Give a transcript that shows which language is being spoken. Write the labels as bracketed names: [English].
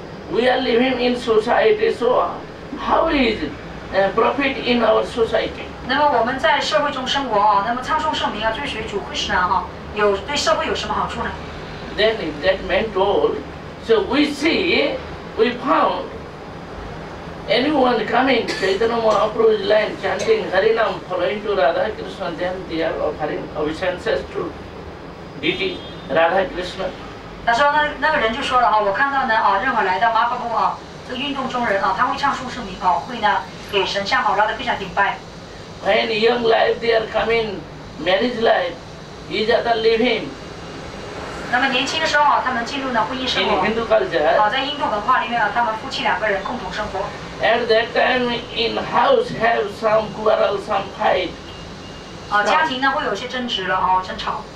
[English] We are living in society, so how is profit in our society? [Chinese] 那么我们在社会中生活啊，那么唱诵圣名啊，追随主 Krishna 啊，有对社会有什么好处呢？ [English] Then that man told, so we see, we found anyone coming to Chaitanya Mahaprabhu's land chanting Harinam following to Radha Krishna, then they are offering obeisances to deity Radha Krishna. [Chinese] 他说那个人就说了哈，我看到呢啊，任何来到 Mahaprabhu 啊，这个运动中人啊，他会唱诵圣名啊，会呢给神像好 Radha Krishna 顶拜。 [English] When young life they are coming, marriage life, each other leave him. [Chinese] 那么年轻的时候他们进入了婚姻生活。 [English] In Hindu culture. [Chinese] 在印度文化里面他们夫妻两个人共同生活。 [English] At that time in house have some quarrel, some fight. [Chinese] 家庭呢会有些争执了争吵。